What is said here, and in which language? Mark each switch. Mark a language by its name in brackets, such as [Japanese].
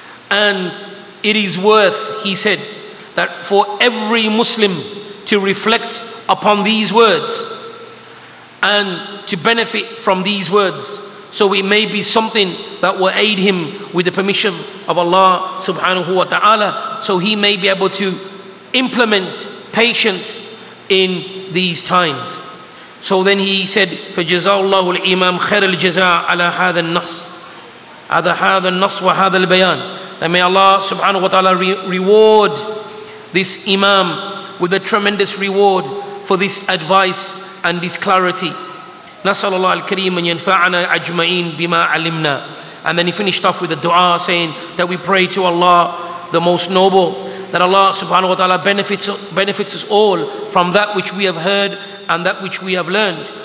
[English] And it is worth, he said, that for every Muslim to reflect upon these words and to benefit from these words, so it may be something that will aid him with the permission of Allah subhanahu wa ta'ala, so he may be able to implement patience in these times. So then he said, [Arabic] فَجَزَاءُ الْإِمَامِ خَيْرَ الْجَزَاءُ عَلَى هَذَا النَّصْ عَلَى هَذَا النَّصْ وَهَذَا الْبَيَانِ. [English] That may Allah subhanahu wa ta'ala reward this Imam with a tremendous reward for this advice and this clarity. [Arabic] نَسَأَلُ اللَّهَ الْكَرِيمَ أَنْ يَنْفَعَنَا أَجْمَعِينَ بِمَا عَلِمْنَا. [English] And then he finished off with a dua saying that we pray to Allah the Most Noble, that Allah subhanahu wa ta'ala benefits us all from that which we have heard and that which we have learned.